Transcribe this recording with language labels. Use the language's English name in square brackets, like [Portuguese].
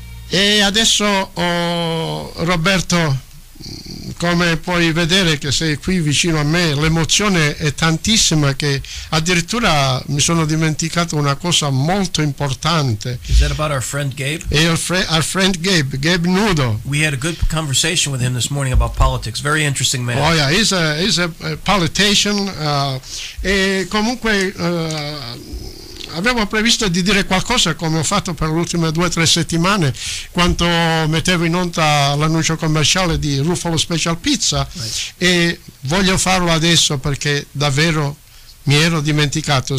[Italian] E adesso Roberto, come puoi vedere che sei qui vicino a me, l'emozione è tantissima che addirittura mi sono dimenticato una cosa molto importante. [English] Is that about our friend Gabe? E our friend Gabe, Gabe Nudo. We had a good conversation with him this morning about politics. Very interesting man. Oh yeah, he's a politician. [Italian] E comunque avevo previsto di dire qualcosa, come ho fatto per le ultime 2-3 settimane quando mettevo in onda l'annuncio commerciale di Ruffalo Special Pizza, right. E voglio farlo adesso perché davvero mi ero dimenticato.